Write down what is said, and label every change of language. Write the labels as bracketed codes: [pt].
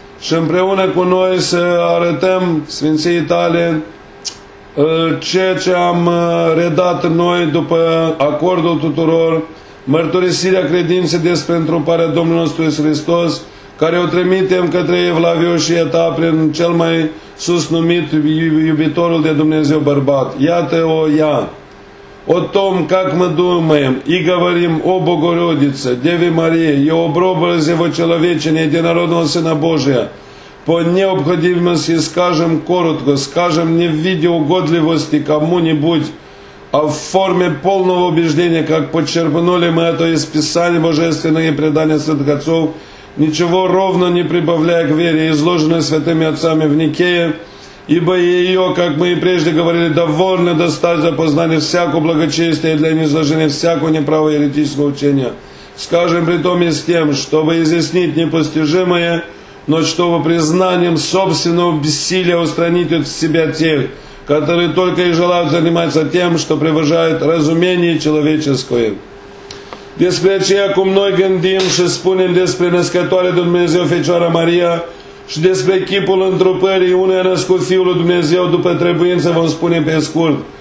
[ro] Și împreună cu noi să arătăm Sfinției tale ceea ce am redat noi după acordul tuturor, mărturisirea credinței despre întruparea Domnului nostru Iisus Hristos, care o trimitem către Evlavioșie ta prin cel mai sus numit iubitorul de Dumnezeu bărbat. Iată-o ea. [ru] O том, как мы думаем и говорим о Богородице, Деве Марии, и об образе во человечине единородного Сына Божия, по необходимости скажем коротко, скажем не в виде угодливости кому-нибудь, а в форме полного убеждения, как подчерпнули мы это из Писания Божественного и предания святых отцов, ничего ровно не прибавляя к вере, изложенной святыми отцами в Никее, ибо ее, как мы и прежде говорили, довольно достать за познание всякого благочестия и для низложения всякого неправого еретического учения. Скажем при том и с тем, чтобы изъяснить непостижимое, но чтобы признанием собственного бессилия устранить от себя тех, которые только и желают заниматься тем, что превышает разумение человеческое». [ro] Despre aceea cum noi gândim și spunem despre născătoare de Dumnezeu Fecioara Maria și despre chipul întrupării unui născut Fiul lui Dumnezeu după trebuință, vă spunem pe scurt.